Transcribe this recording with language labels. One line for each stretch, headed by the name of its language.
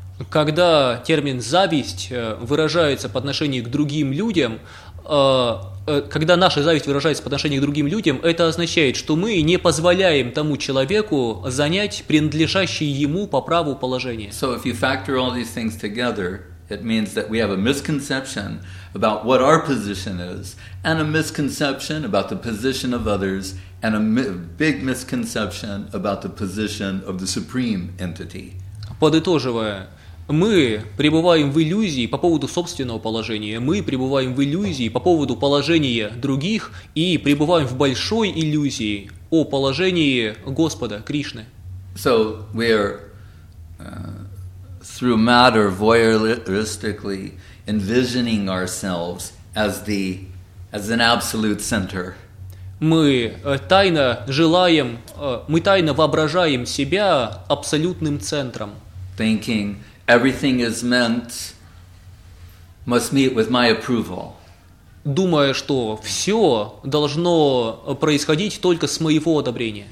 Russian: Когда термин «зависть» выражается по отношению к другим людям, когда наша зависть выражается по отношению к другим людям, это означает, что мы не позволяем тому человеку занять принадлежащее ему по праву положение.
English: So if you factor all these things together, it means that we have a misconception about what our position is, and a misconception about the position of others, and a big misconception about the position of the supreme entity.
Russian: Подытоживая, мы пребываем в иллюзии по поводу собственного положения, мы пребываем в иллюзии по поводу положения других и пребываем в большой иллюзии о положении Господа, Кришны.
English: So we are through matter voyeuristically envisioning ourselves as the as an absolute center.
Russian: Мы тайно желаем, мы тайно воображаем себя абсолютным центром.
English: Thinking everything is meant must meet with my approval.
Russian: Думая, что все должно происходить только с моего одобрения.